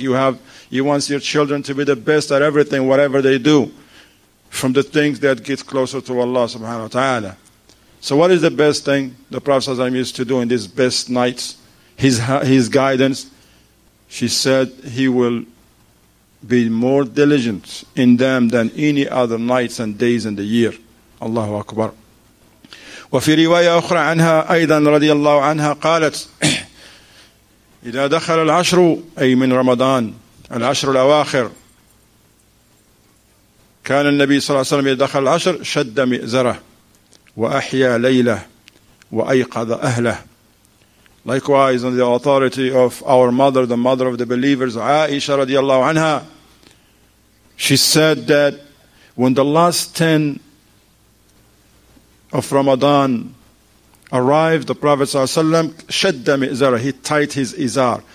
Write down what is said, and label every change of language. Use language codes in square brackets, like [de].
[en] You want your children to be the best at everything, whatever they do, from the things that get closer to Allah subhanahu wa ta'ala. So what is the best thing the Prophet ﷺ used to do in these best nights? His guidance, she said, he will be more diligent in them than any other nights and days in the year. Allahu Akbar. [ar] وفي رواية أخرى عنها أيضا رضي الله عنها قالت إذا دخل العشر أي من رمضان العشر الأواخر كان النبي صلى الله عليه وسلم إذا دخل العشر شد مئزرة وأحيا ليلة وأيقظ أهله. [en] Likewise, under the authority of our mother, the mother of the believers, Aisha [ar] رضي الله عنها, [en] she said that when the last 10 of Ramadan arrived, the Prophet ﷺ [ar] shadda mi'zara, [en] he tied his izar.